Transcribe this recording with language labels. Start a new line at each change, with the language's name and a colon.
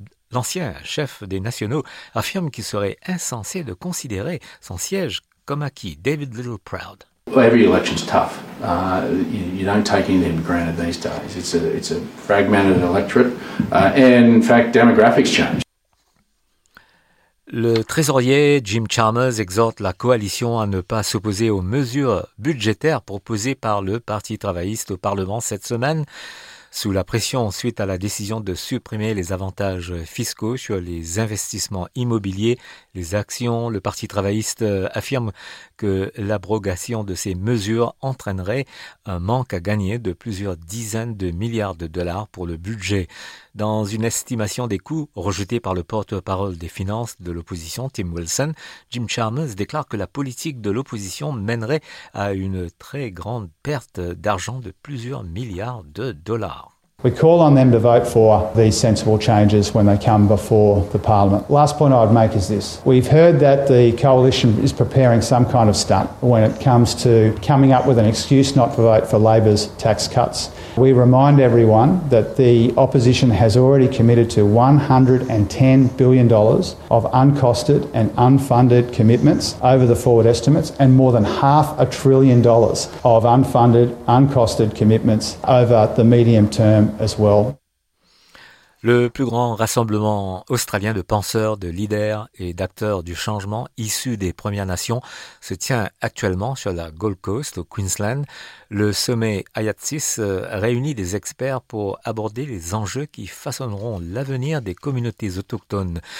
French: L'ancien chef des nationaux affirme qu'il serait insensé de considérer son siège comme acquis. David Little Proud.
English: Well, every election's tough. You don't take anything for granted these days. It's a fragmented electorate. And in fact, demographics change.
French: Le trésorier Jim Chalmers exhorte la coalition à ne pas s'opposer aux mesures budgétaires proposées par le Parti travailliste au Parlement cette semaine. sous la pression suite à la décision de supprimer les avantages fiscaux sur les investissements immobiliers, les actions. Le Parti travailliste affirme que l'abrogation de ces mesures entraînerait un manque à gagner de plusieurs dizaines de milliards de dollars pour le budget. Dans une estimation des coûts rejetée par le porte-parole des finances de l'opposition, Tim Wilson, Jim Chalmers déclare que la politique de l'opposition mènerait à une très grande perte d'argent de plusieurs milliards de dollars.
English: We call on them to vote for these sensible changes when they come before the Parliament. Last point I'd make is this. We've heard that the Coalition is preparing some kind of stunt when it comes to coming up with an excuse not to vote for Labor's tax cuts. We remind everyone that the Opposition has already committed to $110 billion of uncosted and unfunded commitments over the forward estimates and more than $500 billion of unfunded, uncosted commitments over the medium term. As well.
French: Le plus grand rassemblement australien de penseurs, de leaders et d'acteurs du changement issus des Premières Nations se tient actuellement sur la Gold Coast au Queensland. Le sommet IATSIS réunit des experts pour aborder les enjeux qui façonneront l'avenir des communautés autochtones.